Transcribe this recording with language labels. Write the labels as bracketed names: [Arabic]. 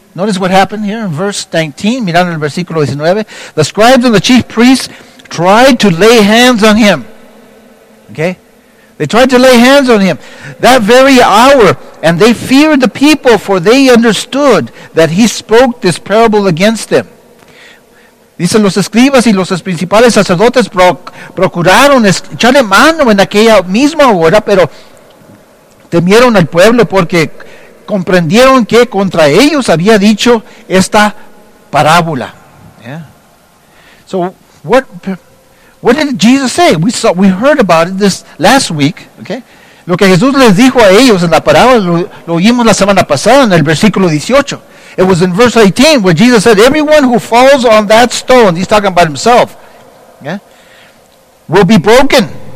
[English] Notice what happened here in verse 19. [Spanish] Mirando el versículo 19. [English] The scribes and the chief priests tried to lay hands on him. Okay. They tried to lay hands on him that very hour, and they feared the people, for they understood that he spoke this parable against them. [Spanish] Dice, los escribas y los principales sacerdotes procuraron echarle mano en aquella misma hora, pero temieron al pueblo porque comprendieron que contra ellos había dicho esta parábola. [English] Yeah. So, what did Jesus say? We heard about it this last week. Okay? [Spanish] Lo que Jesús les dijo a ellos en la parábola, lo oímos la semana pasada en el versículo 18. [English] It was in verse 18 where Jesus said, everyone who falls on that stone, he's talking about himself, yeah, will be broken.